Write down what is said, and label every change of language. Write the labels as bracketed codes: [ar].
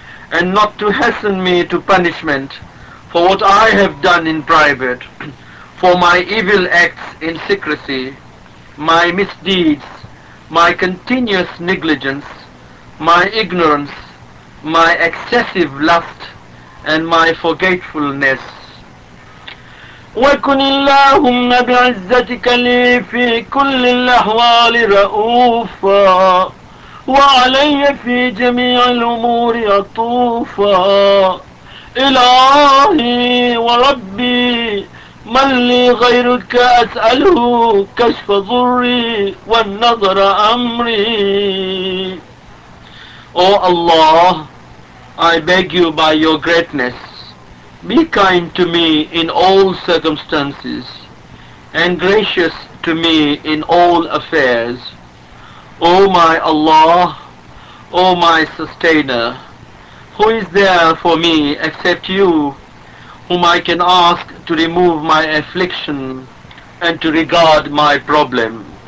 [en] and not to hasten me to punishment for what I have done in private, for my evil acts in secrecy, my misdeeds, my continuous negligence, my ignorance, my excessive lust, and my forgetfulness. [ar] وكن اللهم بعزتك لي في كل الأحوال رؤوفا وعلي في جميع الأمور عطوفا إلهي وربي من لي غيرك أسأله كشف ضري والنظر أمري. [en] O Allah, I beg you by your greatness, be kind to me in all circumstances and gracious to me in all affairs. O my Allah, O my sustainer, who is there for me except you, whom I can ask to remove my affliction and to regard my problem?